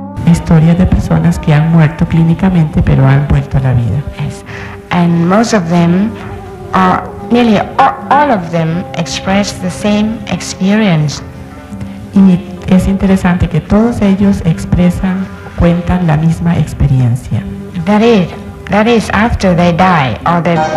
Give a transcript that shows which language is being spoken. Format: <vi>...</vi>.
<es>historias de personas que han muerto clínicamente pero han vuelto a la vida.</es> <en>Yes. And most of them are nearly all of them express the same experience.</en> <es>Y es interesante que todos ellos expresan, cuentan la misma experiencia.</es> <en>That is after they die or they.</en>